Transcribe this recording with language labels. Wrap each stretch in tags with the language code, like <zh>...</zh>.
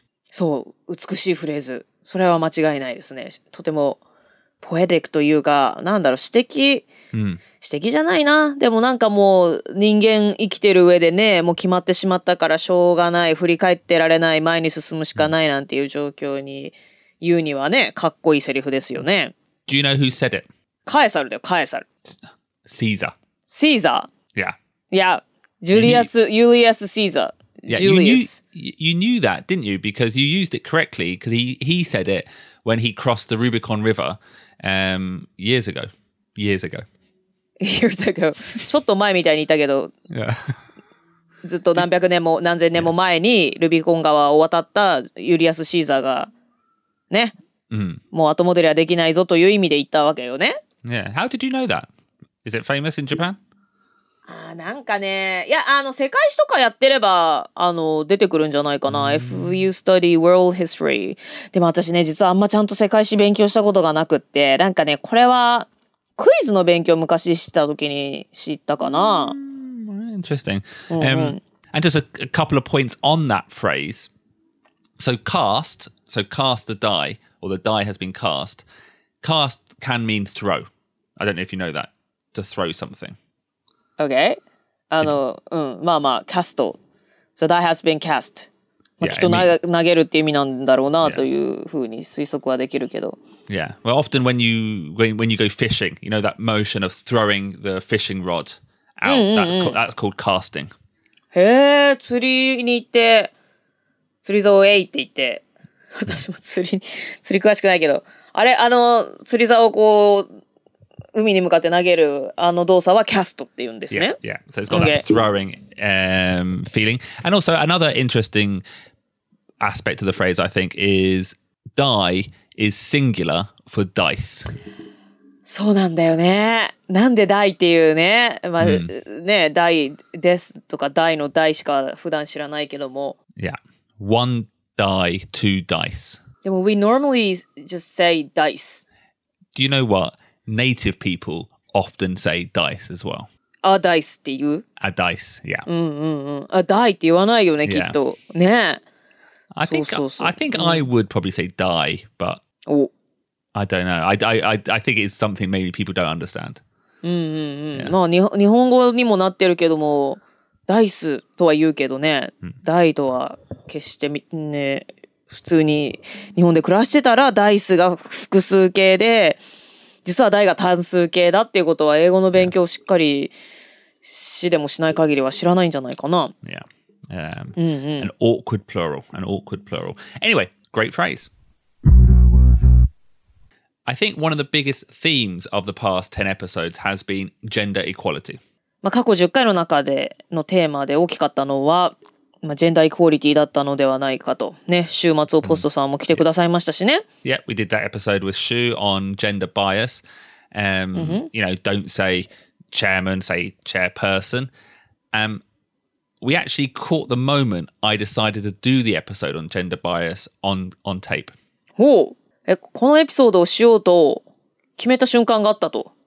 <ja>そう、美しいフレーズ。それは間違いないですね。とても、ポエティックというか、なんだろう、詩的、詩的じゃないな。でもなんかもう、人間生きてる上でね、もう決まってしまったからしょうがない、振り返ってられない、前に進むしかないなんていう状況に、言うにはね、かっこいいセリフですよね。</ja> <en>Do you know who said it?</en> <ja>カエサルだよ、カエサル。</ja> <en>Caesar. Caesar? Yeah. Yeah. Julius Caesar. Julius. You knew that, didn't you? Because you used it correctly, because he said it when he crossed the Rubicon River years ago. Years ago.</en> <ja>ちょっと前みたいに言ったけど。</ja> <en>Yeah.</en> <ja>ずっと何百年も何千年も前にルビコン川を渡ったユリアス・シーザーがね。もう後戻りはできないぞという意味で言ったわけよね。</ja> <en>Yeah. How did you know that? Is it famous in Japan?</en> <ja>あ、なんかね。いや、あの、世界史とかやってれば、あの、出てくるんじゃないかな。</ja> <en>Mm. If you study world history.</en> <ja>でも私ね、実はあんまちゃんと世界史勉強したことがなくって、なんかね、これは、クイズの勉強昔したときに知ったかな。</ja> <en>Interesting. And just a couple of points on that phrase. So cast the die, or the die has been cast. Cast can mean throw. I don't know if you know that. To throw something. Okay. あの、うん、まあまあ、cast. So die has been cast.</en> <ja>まあ、きっと投げるって意味なんだろうなというふうに推測はできるけど。</ja> <en>Yeah. Well, often when you go fishing, you know that motion of throwing the fishing rod out. That's called casting.</en> <ja>へえ、釣りに行って釣り竿へ行って言って、私も釣り詳しくないけど、あれ、あの釣り竿をこう海に向かって投げるあの動作はキャストって言うんですね。</ja> <en>Yeah. Yeah. So it's got that throwing feeling. And also another interesting aspect of the phrase, I think, is die. Is singular for dice.</en> <ja>そうなんだよね。なんで die っていうね、まあ、ね、die ですとか die の die しか普段知らないけども。</ja> <en>Yeah, one die, two dice. でも we normally just say dice. Do you know what? Native people often say dice as well.</en> <ja>A dice っていう。</ja> <en>A dice, yeah.</en> <ja>A die って言わないよね、きっと。ね。</ja> <en>I think I would probably say die, but I don't know. I think it's something maybe people don't understand.</en> <ja>まあ日本語にもなってるけども、ダイスとは言うけどね、ダイとは決してね、普通に日本で暮らしてたらダイスが複数形で、実はダイが単数形だっていうことは英語の勉強をしっかりしでもしない限りは知らないんじゃないかな。</ja> <en>Yeah. An awkward plural. Anyway, great phrase. I think one of the biggest themes of the past 10 episodes has been gender equality.</en> <ja>まあ過去10回の中でのテーマで大きかったのは、まあ、ジェンダーイクオリティだったのではないかと、ね、週末をポストさんも来てくださいましたしね。</ja> <en>Yeah, we did that episode with Shu on gender bias. You know, don't say chairman, say chairperson. We actually caught the moment I decided to do the episode on gender bias on tape.</en> <ja>ほう。え、このエピソードをしようと決めた瞬間があったと。</ja>